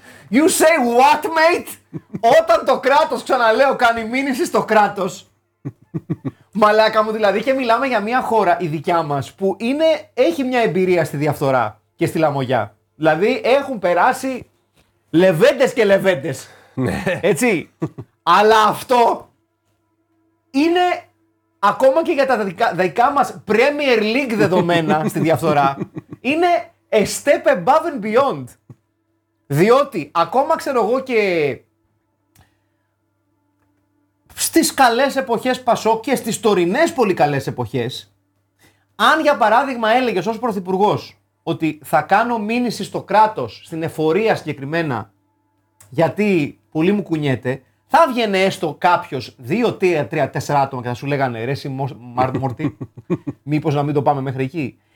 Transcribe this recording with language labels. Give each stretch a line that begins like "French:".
English: You say what, mate?
Greek: Όταν το κράτος, ξαναλέω, κάνει μήνυση στο κράτος, μαλάκα μου δηλαδή, και μιλάμε για μια χώρα, η δικιά μας, που έχει μια εμπειρία στη διαφθορά και στη λαμογιά. Δηλαδή, έχουν περάσει λεβέντες και λεβέντες. Έτσι. Αλλά αυτό είναι ακόμα και για τα δικά μας Premier League δεδομένα στη διαφθορά. Είναι
English: a step above and beyond.
Greek: Διότι ακόμα ξέρω εγώ και στις καλές εποχές Πασό και στις τωρινές πολύ καλές εποχές, αν για παράδειγμα έλεγες ως πρωθυπουργός ότι θα κάνω μήνυση στο κράτος, στην εφορία συγκεκριμένα, γιατί πολύ μου κουνιέται, θα βγαίνει έστω κάποιος, 2, 3, 4 άτομα και θα σου λέγανε, ρε Μάρτμορτι, μήπως να μην το πάμε μέχρι εκεί.